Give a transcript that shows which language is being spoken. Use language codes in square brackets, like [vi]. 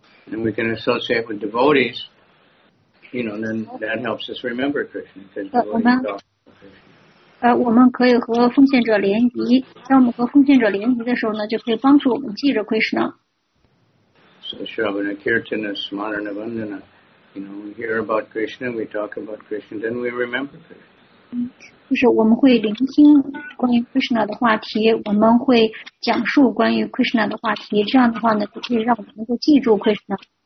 [en] And we can associate with devotees, you know, then that helps us remember Krishna. Because [zh] 我们可以和奉献者联谊，当我们和奉献者联谊的时候呢，就可以帮助我们记着 Krishna. [en] So Shravana Kirtana Smarana Vandana, you know, we hear about Krishna, we talk about Krishna, then we remember Krishna. [zh] 就是我们会聆听关于 Krishna 的话题，我们会讲述关于 Krishna 的话题，这样的话呢，就可以让我们能够记住 Krishna.